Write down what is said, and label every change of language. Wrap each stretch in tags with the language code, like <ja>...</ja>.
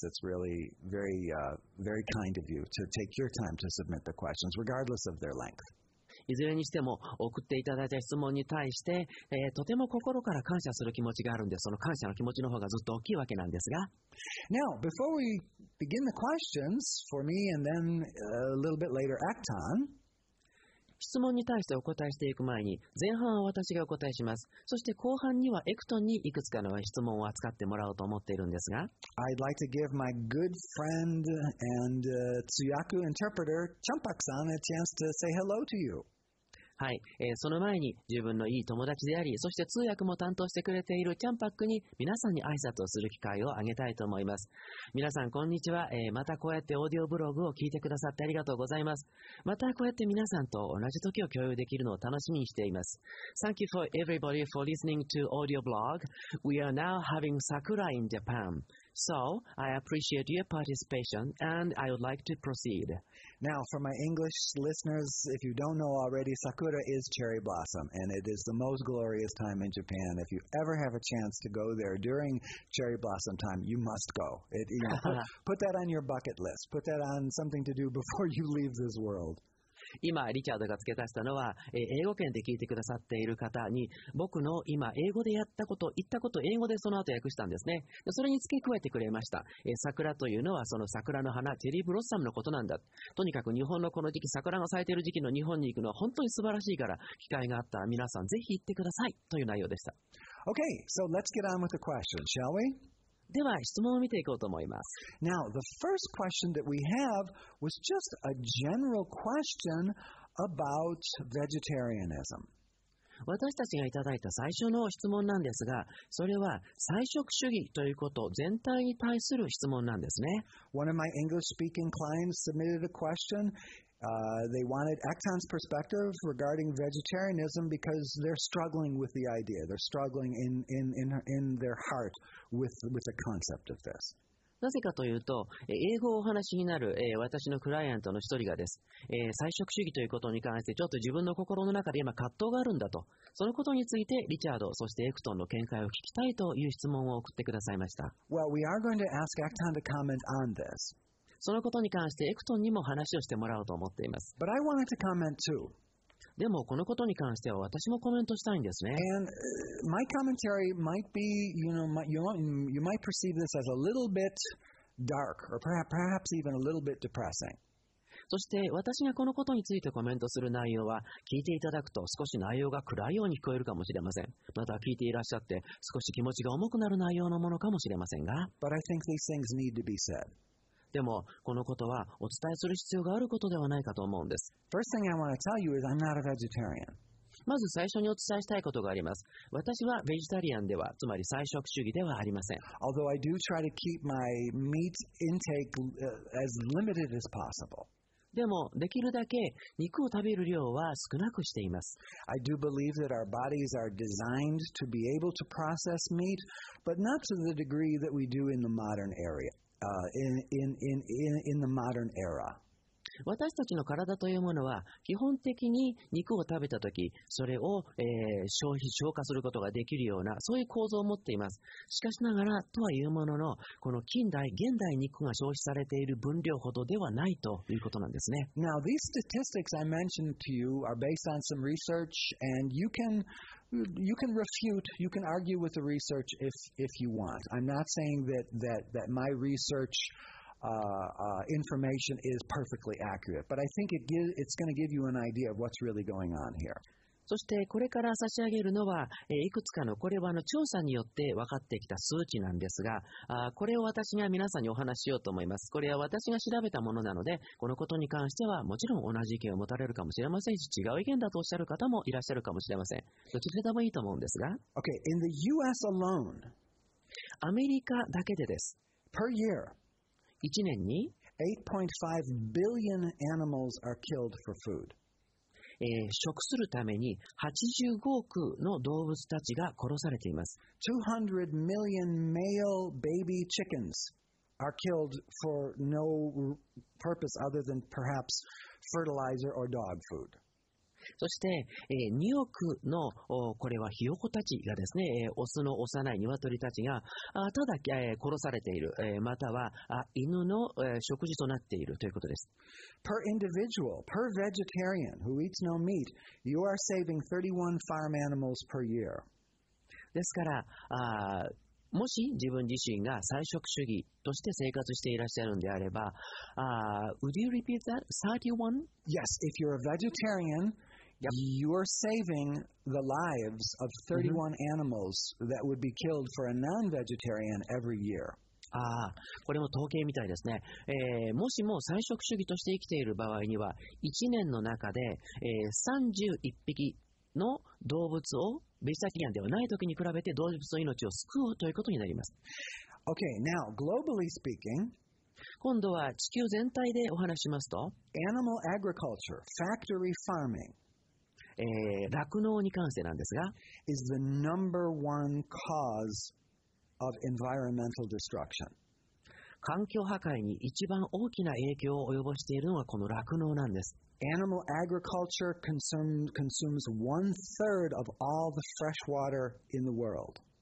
<en>It's really very, very kind of you to take your time to submit the questions, regardless of their length</en> <ja>いずれにしても送っていただいた質問に対して、とても心から感謝する気持ちがあるんで、その感謝の気持ちの方がずっと大きいわけなんですが。</ja> <en>Now, before we begin the questions for me and then a little bit later Acton,</en> <ja>質問に対してお答えしていく前に、前半は私がお答えします。そして後半にはエクトンにいくつかの質問を扱ってもらおうと思っているんですが。</ja> <en>I'd like to give my good friend and Tsuyaku interpreter, Champak-san, a chance to say hello to you.</en> <ja>はい、その前に自分のいい友達であり、そして通訳も担当してくれているキャンパックに皆さんに挨拶をする機会をあげたいと思います。皆さんこんにちは、またこうやってオーディオブログを聞いてくださってありがとうございます。またこうやって皆さんと同じ時を共有できるのを楽しみにしています。</ja> <en>Thank you for everybody for listening to audio blog. We are now having Sakura in Japan. So I appreciate your participation and I would like to proceed. Now for my English listeners, if you don't know already, Sakura is cherry blossom and it is the most glorious time in Japan. If you ever have a chance to go there during cherry blossom time, you must go. Put that on your bucket list. Put that on something to do before you leave this world.</en> <ja>今リチャードが付け足したのは、英語圏で聞いてくださっている方に僕の今英語でやったこと言ったことを英語でその後訳したんですね。それに付け加えてくれました。桜というのはその桜の花チェリーブロッサムのことなんだ。とにかく日本のこの時期桜が咲いている時期の日本に行くのは本当に素晴らしいから、機会があったら皆さんぜひ行ってくださいという内容でした。</ja> <en>Okay, so let's get on with the question, shall we?</en> <ja>では質問を見ていこうと思います。</ja> <en>Now, the first question that we have was just a general question about vegetarianism.</en> <ja>私たちがいただいた最初の質問なんですが、それは菜食主義ということ全体に対する質問なんですね。</ja> <en>One of my English-speaking clients submitted a question. They wanted Acton's perspective regarding vegetarianism because they're struggling with the idea. They're struggling in their heart. With the concept of this.</en> <ja>なぜかというと、英語をお話しになる、私のクライアントの一人がです、菜食主義ということに関してちょっと自分の心の中で今葛藤があるんだと、そのことについてリチャードそしてエクトンの見解を聞きたいという質問を送ってくださいました。</ja> <en>Well, we are going to ask Acton to comment on this.</en> <ja>そのことに関してエクトンにも話をしてもらおうと思っています。</ja> <en>But I wanted to comment too.</en> <ja>でもこのことに関しては私もコメントしたいんですね。</ja> <en>And my commentary might be, you might perceive this as a little bit dark, or perhaps even a little bit depressing.</en> <ja>そして私がこのことについてコメントする内容は、聞いていただくと少し内容が暗いように聞こえるかもしれません。また聞いていらっしゃって少し気持ちが重くなる内容のものかもしれませんが。</ja> <en>But I think these things need to be said.</en> <ja>でもこのことはお伝えする必要があることではないかと思うんです。</ja> <en>First thing I want to tell you is I'm not a vegetarian.</en> <ja>まず最初にお伝えしたいことがあります。私はベジタリアンでは、つまり菜食主義ではありません。</ja> <en>Although I do try to keep my meat intake as limited as possible.</en> <ja>でもできるだけ肉を食べる量は少なくしています。</ja> <en>I do believe that our bodies are designed to be able to process meat, but not to the degree that we do in the modern era. In the modern era.</en> <ja>私たちの体というものは基本的に肉を食べたとき、それを、消化することができるようなそういう構造を持っています。しかしながらとはいうものの、この近代現代肉が消費されている分量ほどではないということなんですね。</ja> <en>Now these statistics I mentioned to you are based on some research and you can refute, you can argue with the research if you want. I'm not saying that my research information is perfectly accurate, but I think it's going to give you an idea of what's really going on here.</en> <ja>そしてこれから差し上げるのは、いくつかのこれは調査によって分かってきた数値なんですが、これを私が皆さんにお話ししようと思います。これは私が調べたものなので、このことに関してはもちろん同じ意見を持たれるかもしれませんし、違う意見だとおっしゃる方もいらっしゃるかもしれません。どちらでもいいと思うんですが。</ja> <en>Okay, in the US alone,</en> <ja>アメリカだけでです。</ja> <en>Per year,</en> <ja>1年に</ja> <en>8.5 billion animals are killed for food.</en> <ja>食するために85億の動物たちが殺されています。</ja> <en>200 million male baby chickens are killed for no purpose other than perhaps fertilizer or dog food.</en> <ja>そして、2億のこれはひよこたちがですね、オスの幼い鶏たちがただ殺されている、または犬の食事となっているということです。</ja> <en>Per individual, per vegetarian who eats no meat, you are saving 31 farm animals per year.</en> <ja>ですから、もし自分自身が菜食主義として生活していらっしゃるんであれば、</ja> <en>Would you repeat that? 31? Yes, if you're a vegetarian, yep. You're saving the lives of 31 animals that would be killed for a non-vegetarian every year.</en> <ja>ああ、これも統計みたいですね、もしも菜食主義として生きている場合には1年の中で、31匹の動物をベジタリアンではない時に比べて動物の命を救うということになります。</ja> <en>OK, now globally speaking,</en> <ja>今度は地球全体でお話しますと</ja> <en>Animal agriculture, factory farming、</en> <ja>酪農に関してなんですが</ja> <en>is the number one cause of environmental destruction.</en> <ja>環境破壊に一番大きな影響を及ぼしているのがこの酪農なんです。</ja> <en>Animal agriculture consumes one third of all the fresh water in the world.</en>